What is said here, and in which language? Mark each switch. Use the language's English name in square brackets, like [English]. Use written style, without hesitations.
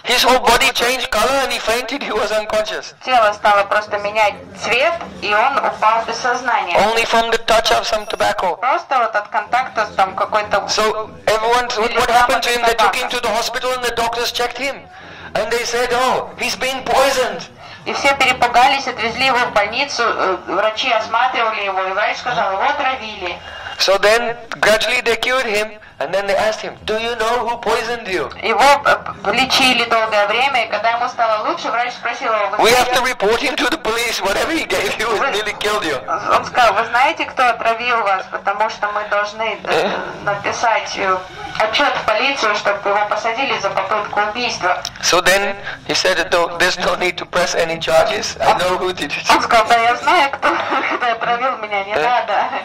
[English] His whole body changed color and he fainted. He was unconscious. [Russian] Тело стало просто менять цвет, и он упал без сознания. [English] Only from the touch of some tobacco. [Russian] Просто вот от контакта с там какой-то. [English] So everyone, what happened to him? They took him to the hospital and the doctors checked him, and they said, oh, he's being poisoned. [Russian] И все перепугались, отвезли его в больницу, врачи осматривали его, и врач сказал, его отравили. [English] So then gradually they cured him, and then they asked him, do you know who poisoned you? [Russian] Его лечили долгое время, и когда ему стало лучше, врач спросил его, [English] we have to report him to the police, whatever he gave you, it nearly killed you. [Russian] Он сказал, вы знаете, кто отравил вас, потому что мы должны написать отчет в полицию, чтобы его посадили за попытку убийства. [English] So then he said, there's no need to press any charges, I know who did it. [Russian] Он сказал, да, я знаю, кто отравил меня, не надо.